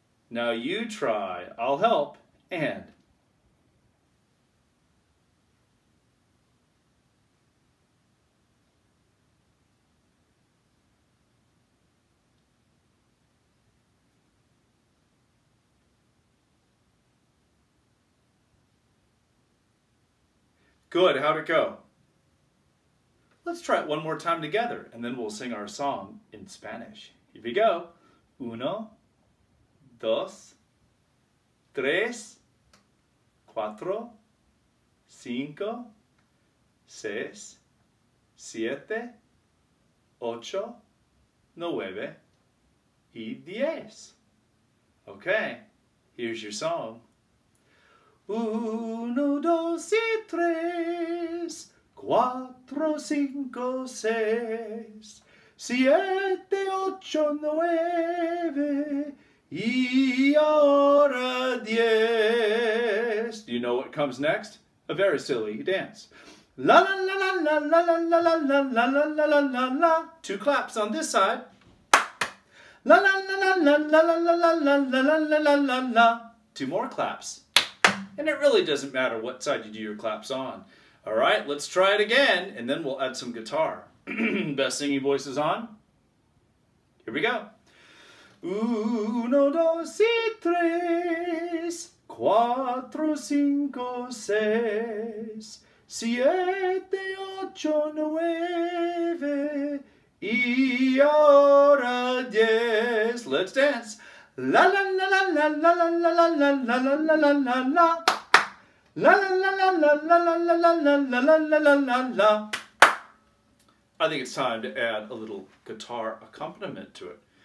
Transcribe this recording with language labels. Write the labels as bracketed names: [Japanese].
[English] Now you try. I'll help. And good, how'd it go? Let's try it one more time together, and then we'll sing our song in Spanish. Here we go. [Spanish] Uno, dos, tres, cuatro, cinco, seis, siete, ocho, nueve, y diez. [English] Okay, here's your song. [Spanish] Uno, dos y tres, cuatro, cinco, seis, siete, ocho, nueve, y ahora diez. [English] Do you know what comes next? A very silly dance. La la la la la la la la la la la la la la la. Two claps on this side. La la la la la la la la la la la la la la la la. Two more claps. And it really doesn't matter what side you do your claps on. All right, let's try it again, and then we'll add some guitar. Best singing voices on. Here we go. [Spanish] Uno, dos, y tres, cuatro, cinco, seis, siete, ocho, nueve, y ahora diez. [English] Let's dance. La la la la la la la la la la la la la la la la. La la la la la la la la la la la la la la la. I think it's time to add a little guitar accompaniment to it.